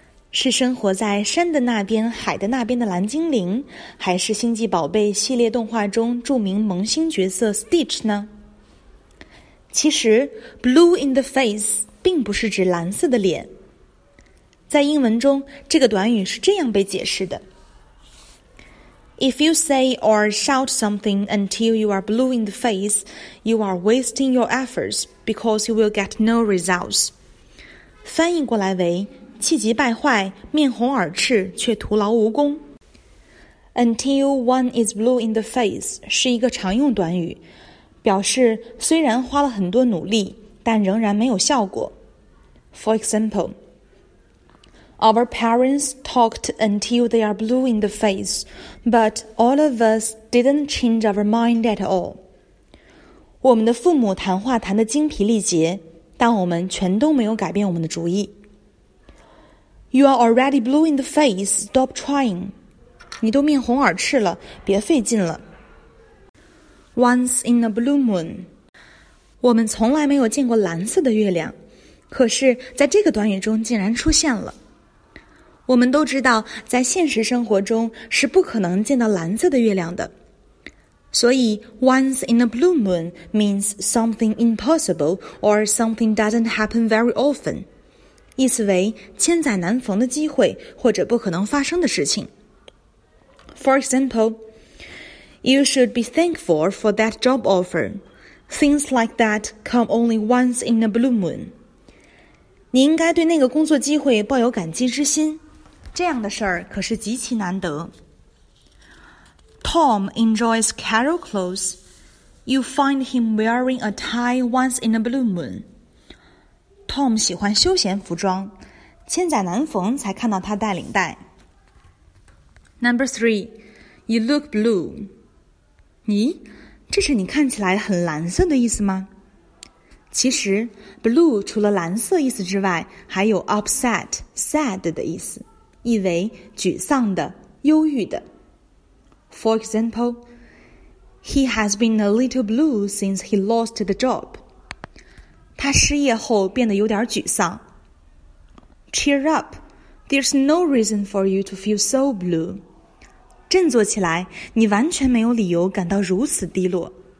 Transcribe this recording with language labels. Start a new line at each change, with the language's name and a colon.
Chinese: 是生活在山的那边、海的那边的蓝精灵，还是星际宝贝系列动画中著名萌新角色 Stitch 呢？其实 blue in the face 并不是指蓝色的脸。在英文中，这个短语是这样被解释的。
English: If you say or shout something until you are blue in the face, you are wasting your efforts because you will get no results.
Chinese: 翻译过来为气急败坏，面红耳赤，却徒劳无功。
English: Until one is blue in the face
Chinese: 是一个常用短语，表示虽然花了很多努力，但仍然没有效果。
English: For example, Our parents talked until they are blue in the face, but all of us didn't change our mind at all.
Chinese: 我们的父母谈话谈得精疲力竭，但我们全都没有改变我们的主意。
English: You are already blue in the face. Stop trying.
Chinese: 你都面红耳赤了，别费劲了。
English: Once in a blue moon.
Chinese: 我们从来没有见过蓝色的月亮，可是在这个短语中竟然出现了。我们都知道，在现实生活中是不可能见到蓝色的月亮的。所以
English: once in a blue moon means something impossible or something doesn't happen very often.
Chinese: 意思为千载难逢的机会或者不可能发生的事情。
English: For example, you should be thankful for that job offer. Things like that come only once in a blue moon.
Chinese: 你应该对那个工作机会抱有感激之心，这样的事儿可是极其难得。
English: Tom enjoys casual clothes. You find him wearing a tie once in a blue moon.
Chinese: Tom 喜欢休闲服装，千载难逢才看到他戴领带。
English: Number three, you look blue.
Chinese: 咦，这是你看起来很蓝色的意思吗？其实 ，blue 除了蓝色意思之外，还有 upset, sad 的意思，意为沮丧的、忧郁的。
English: For example, he has been a little blue since he lost the job.
Chinese: 他失业后变得有点沮丧。
English: Cheer up, there's no reason for you to feel so blue.
Chinese: 振作起来，你完全没有理由感到如此低落。